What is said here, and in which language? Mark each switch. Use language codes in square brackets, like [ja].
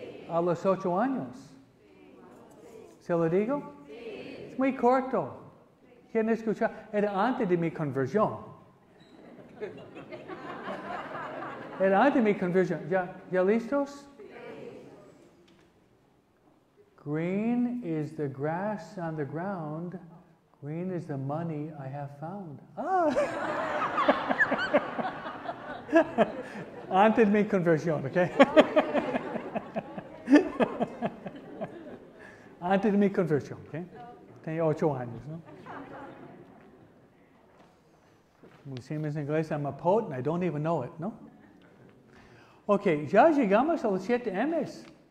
[es] A los 8 años. ¿Se lo digo? Es muy corto. ¿Quieren escuchar? Era antes de mi conversión. Era antes de mi conversión. ¿Ya listos? Sí. [en] Green is the grass on the ground. Green is the money I have found. Ah! [es] Antes de mi conversión, ¿ok? Antes de mi conversión, ¿ok? Tenía 8 años, ¿no? Como decimos en inglés, [en] I'm a poet and I don't even know it, [es] ¿no? Ok, ya llegamos a los siete M's.